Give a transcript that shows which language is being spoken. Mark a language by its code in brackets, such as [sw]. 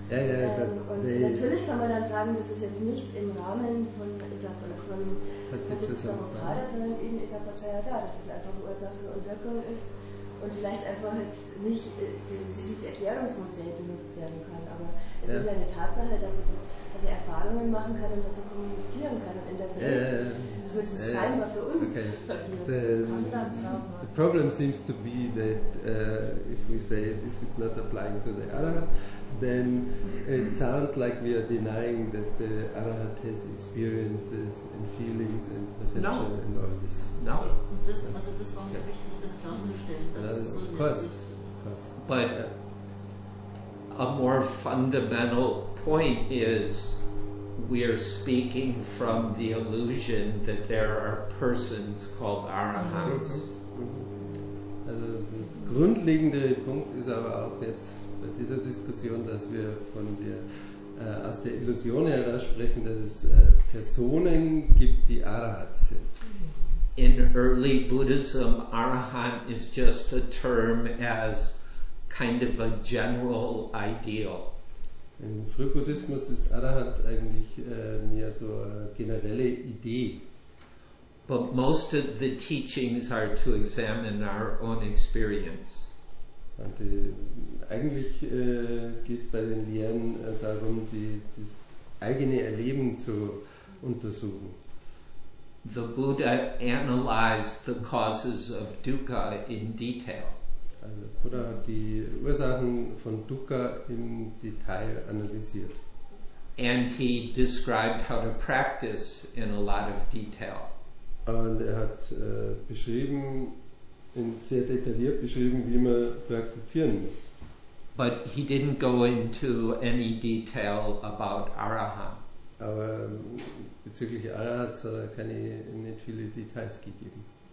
[de] Natürlich kann man dann sagen, das ist jetzt nicht im Rahmen von Paticca Samuppada, sondern eben Itta-paccayata, dass es einfach Ursache und Wirkung ist und vielleicht einfach jetzt nicht dieses Erklärungsmodell benutzt werden kann. Aber es ist ja eine Tatsache, dass er das, diese Erfahrungen machen kann und dazu kommunizieren kann und in der Welt. Das ist scheinbar für uns. Okay. [en] The problem seems to be that if we say this is not applying to the Arahat, then it sounds like we are denying that the Arahat has experiences and feelings and perception no. and all this. No. [de] Und das, also das war mir wichtig, das klarzustellen. Das [en] of course. But a more fundamental point is we are speaking from the illusion that there are persons called Arahants. [de] Also der grundlegende Punkt ist aber auch jetzt bei dieser Diskussion, dass wir von der aus der Illusion heraus sprechen, dass es Personen gibt, die Arahats sind. [en] In early Buddhism, Arahant is just a term as kind of a general ideal. [de] Im Frühbuddhismus ist Arahant eigentlich mehr so eine generelle Idee. [en] But most of the teachings are to examine our own experience. [de] Und eigentlich geht es bei den Lehren darum, das eigene Erleben zu untersuchen. [en] The Buddha analyzed the causes of dukkha in detail. [de] Also Buddha hat die Ursachen von dukkha im Detail analysiert. [en] And he described how to practice in a lot of detail. [de] Und er hat beschrieben, in sehr detailliert beschrieben, wie man praktizieren muss. [en] But he didn't go into any detail about Arahant. [de] Aber bezüglich Arahant hat er keine, nicht viele Details gegeben.